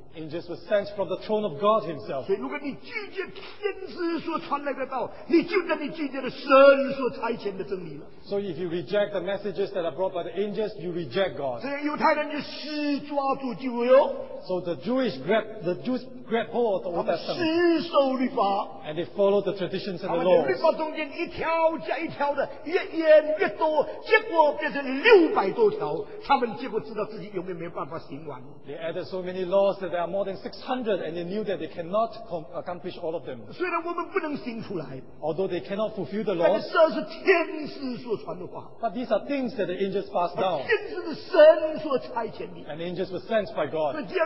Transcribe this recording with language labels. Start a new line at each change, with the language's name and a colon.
English: Angels were sent from the throne of God himself.
Chinese: 所以如果你拒绝天使所传来的道，你就等于拒绝了神所差遣的真理了。
English: So if you reject the messages that are brought by the angels, you reject God.
Chinese: 所以犹太人就死抓住旧约。
English: So the Jews grab hold of the Old Testament.
Chinese: 他们死守律法。
English: And they follow the traditions and the laws.
Chinese: 他们律法中间一条加一条的，越演越多，结果变成600多条。他们结果知道自己永远没有办法行完。
English: They added so many laws that there are more than 600, and they knew that they cannot accomplish all of them.
Chinese: 虽然我们不能行出来,
English: although they cannot fulfill the laws, but these are things that the angels passed down. And angels were sent by God.